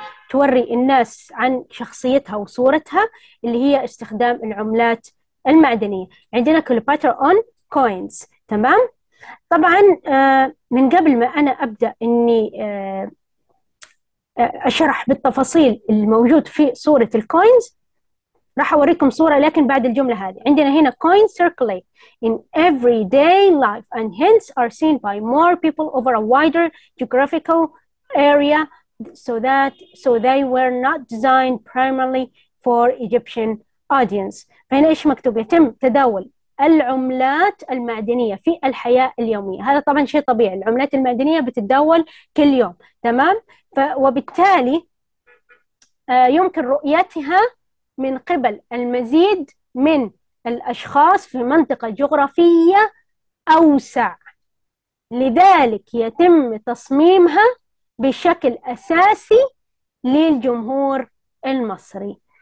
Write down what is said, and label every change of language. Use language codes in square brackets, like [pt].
[ar] توري الناس عن شخصيتها وصورتها اللي هي استخدام العملات المعدنية. عندنا كليوباترا اون كوينز، تمام؟ طبعا من قبل ما أنا أبدأ إني أشرح بالتفاصيل الموجود في صورة الكوينز، راح أوريكم صورة لكن بعد الجملة هذه. عندنا هنا [en] coins circulate in everyday life and hence are seen by more people over a wider geographical area so they were not designed primarily for Egyptian audience. [ar] فهنا إيش مكتوب؟ يتم تداول العملات المعدنية في الحياة اليومية. هذا طبعا شيء طبيعي، العملات المعدنية بتتداول كل يوم، تمام؟ وبالتالي يمكن رؤيتها من قبل المزيد من الأشخاص في منطقة جغرافية أوسع، لذلك يتم تصميمها بشكل أساسي للجمهور المصري.